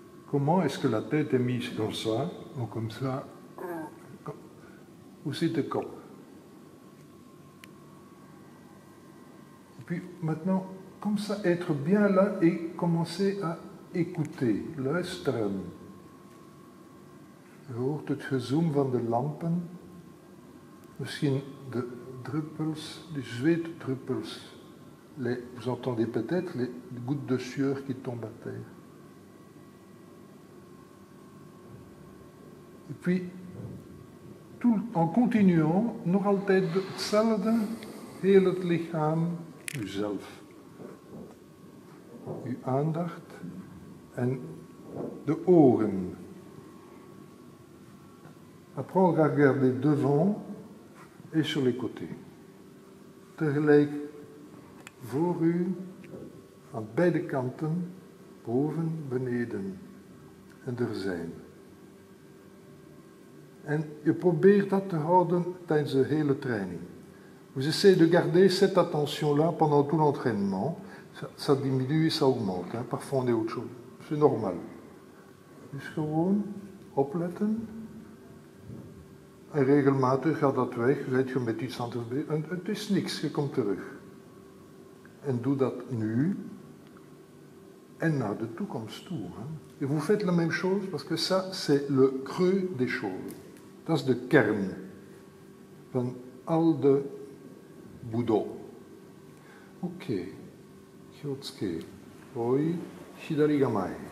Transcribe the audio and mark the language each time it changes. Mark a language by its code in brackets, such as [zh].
[fr] Comment est-ce que la tête est mise comme ça, ou comme ça, ou c'est de quoi? Et puis maintenant, comme ça, être bien là et commencer à écouter, luisteren. [nl] Je hoort het gezoom van de lampen. Misschien de druppels, de zweetdruppels. [fr] Vous entendez peut-être les gouttes de sueur qui tombent à terre. Et puis, tout, en continuant, [nl] nog altijd hetzelfde, heel het lichaam, uzelf. Uw aandacht en de ogen. [fr] Après, regardez devant. Et sur les côtés. [nl] Tegelijk voor u, aan beide kanten, boven, beneden en er zijn. En je probeert dat te houden tijdens de hele training. [fr] Vous essayez de garder cette attention-là pendant tout l'entraînement. Ça diminue et ça augmente. Hein. Parfois on est autre chose. C'est normal. [nl] Dus gewoon opletten. En regelmatig gaat dat weg, weet je, met iets anders. En het is niks, je komt terug. En doe dat nu en naar de toekomst toe. Hein. [fr] Et vous faites la même chose, parce que ça, c'est le creux des choses. [nl] Dat is de kern van al de boudon. [ja] Ok, Kyotsuke, oi, Shidarigamai.